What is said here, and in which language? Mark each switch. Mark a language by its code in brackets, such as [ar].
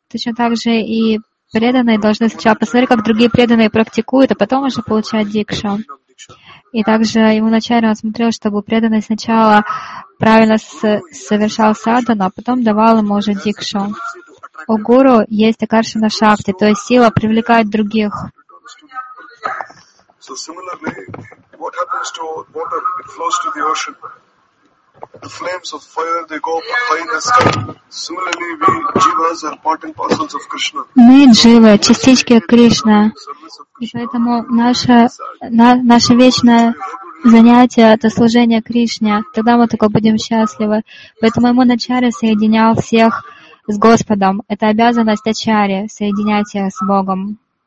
[ru] Точно так же и преданные должны сначала посмотреть, как другие преданные практикуют, а потом уже получать дикшу. И также ему вначале он смотрел, чтобы преданный сначала правильно совершал садхану, а потом давал ему уже дикшу. У гуру есть акаршана шакти, то есть сила привлекает других. [en] So similarly, what happens to water? It flows to the ocean. The flames of fire, they go up high in the sky. Similarly, we jivas are part and parcels of Krishna. [ru] Мы дживы, частички Кришны. И поэтому наше вечное занятие — это служение Кришне. Тогда мы только будем счастливы. Поэтому ему начале соединял всех с Господом. Это обязанность ачарьи — соединять их с Богом.